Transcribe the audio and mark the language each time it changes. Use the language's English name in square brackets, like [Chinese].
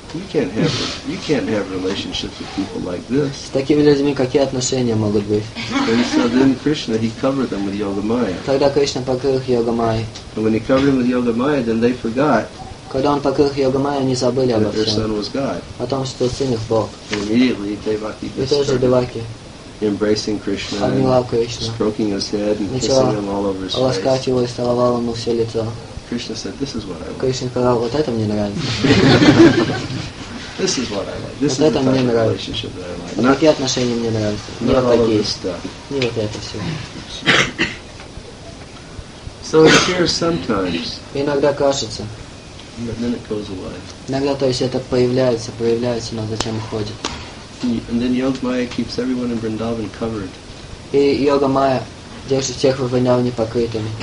[English] You can't have relationships with people like this. [Russian] С такими людьми какие отношения могут быть?" [English] And so then Krishna, he covered them with yoga maya. [Russian] Тогда Кришна покрыл их йога майей. [English] And when he covered them with yoga maya, then they forgot. [Russian] Когда он покрыл их йога майей, они забыли обо всем. [English] Their son was God. [Russian] О том, что сын их Бог. [English] Immediately Devaki started embracing Krishna, stroking his head and kissing him all over his face. Krishna said, "This is what I want." Krishna said, "This is what I like. This is the type of relationship that I like. Not [Russian] такие отношения мне нравятся. Не вот это все." [English] So it appears sometimes. [Russian] Иногда кажется. [English] But then it goes away. [Russian] Иногда, то есть, это появляется, но зачем уходит? [English] And then Yoga Maya keeps everyone in Vrindavan covered. [Russian] И Йога Майя держит всех в Вриндаване покрытыми.